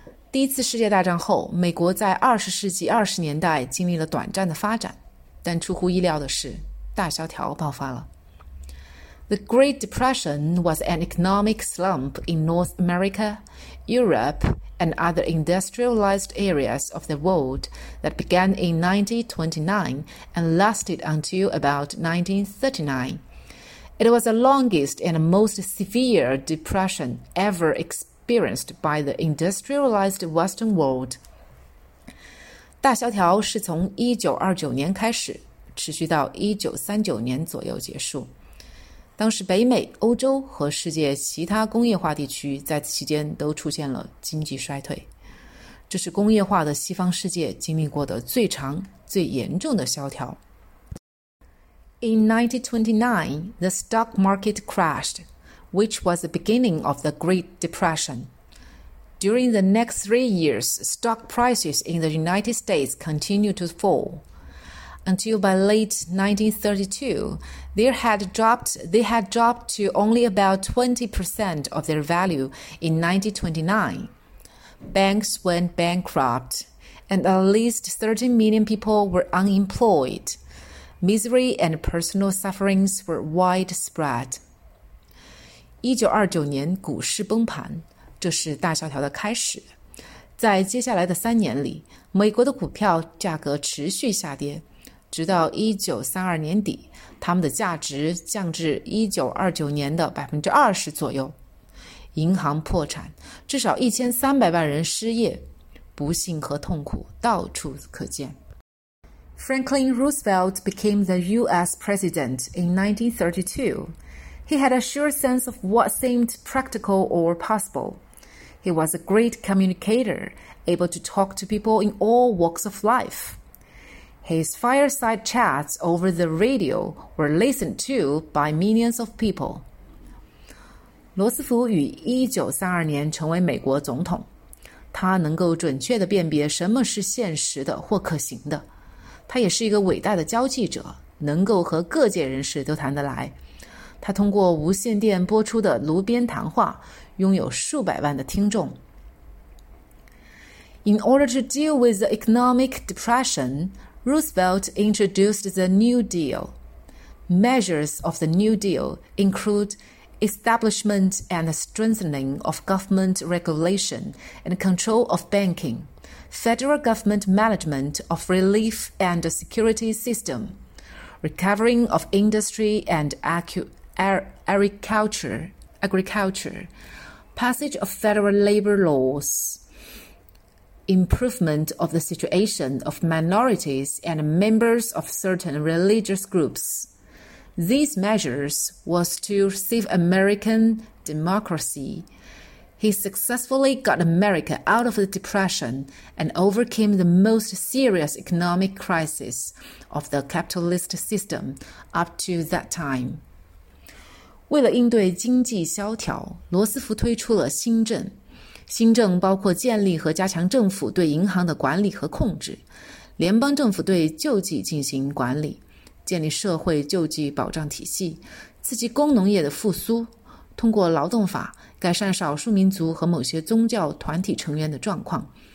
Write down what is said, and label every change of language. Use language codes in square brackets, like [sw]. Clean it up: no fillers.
[zh] 第一次世界大战后，美国在20世纪20年代经历了短暂的发展，但出乎意料的是，大萧条爆发了。 [en] The Great Depression was an economic slump in North America, Europe, and other industrialized areas of the world that began in 1929 and lasted until about 1939. It was the longest and most severe depression ever experienced by the industrialized Western world. [zh] 大萧条是从1929年开始，持续到1939年左右结束。当时北美、欧洲和世界其他工业化地区在此期间都出现了经济衰退。这是工业化的西方世界经历过的最长、最严重的萧条。 [en] In 1929, the stock market crashed, which was the beginning of the Great Depression. During the next 3 years, stock prices in the United States continued to fall. Until by late 1932, they had dropped to only about 20% of their value in 1929. Banks went bankrupt, and at least 30 million people were unemployed. Misery and personal sufferings were widespread. [zh] 1929年股市崩盘，这是大萧条的开始。在接下来的三年里，美国的股票价格持续下跌。直到1932年底，他们的价值降至1929年的 20% 左右。银行破产，至少1300万人失业，不幸和痛苦到处可见。 [en] Franklin Roosevelt became the U.S. president in 1932. He had a sure sense of what seemed practical or possible. He was a great communicator, able to talk to people in all walks of life. His fireside chats over the radio were listened to by millions of people. [zh] 罗斯福于1932年成为美国总统，他能够准确地辨别什么是现实的或可行的。他也是一个伟大的交际者，能够和各界人士都谈得来。他通过无线电播出的炉边谈话，拥有数百万的听众。 [en] In order to deal with the economic depression,Roosevelt introduced the New Deal. Measures of the New Deal include establishment and strengthening of government regulation and control of banking, federal government management of relief and security system, recovering of industry and agriculture, passage of federal labor laws,Improvement of the situation of minorities and members of certain religious groups. These measures was to save American democracy. He successfully got America out of the depression and overcame the most serious economic crisis of the capitalist system up to that time. [zh] 为了应对经济萧条，罗斯福推出了新政。新政包括建立和加强政府对银行的管理和控制，联邦政府对救济进行管理，建立社会救济保障体系，刺激工农业的复苏，通过劳动法改善少数民族和某些宗教团体成员的状况。